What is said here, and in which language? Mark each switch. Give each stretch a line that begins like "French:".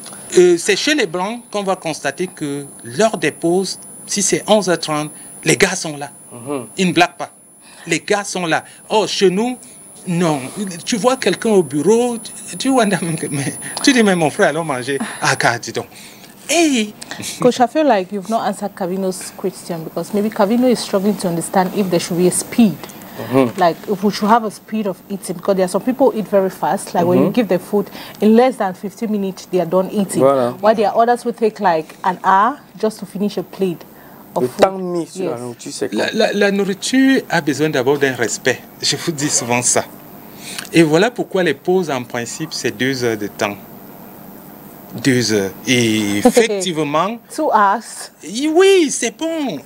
French: C'est chez les Blancs qu'on va constater que lors des pauses, si c'est 11h30, les gars sont là. Ils ne blaguent pas. Les gars sont là. Oh, chez nous... Non, tu vois quelqu'un au bureau, tu dis mais mon frère, allons manger. Ah, car, dis donc. Hey.
English: Coach, I feel like you've not answered Kavino's question because maybe Kavino is struggling to understand if there should be a speed. Like, if we should have a speed of eating because there are some people eat very fast. Like, when you give the food, in less than 15 minutes, they are done eating.
French: Voilà.
English: While there are others who take like an hour just to finish a plate.
French: Le temps mis sur la nourriture, c'est quoi? La nourriture a besoin d'abord d'un respect. Je vous dis souvent ça. Et voilà pourquoi les pauses, en principe, c'est 2 heures de temps. 2 heures. Et effectivement... oui, c'est bon.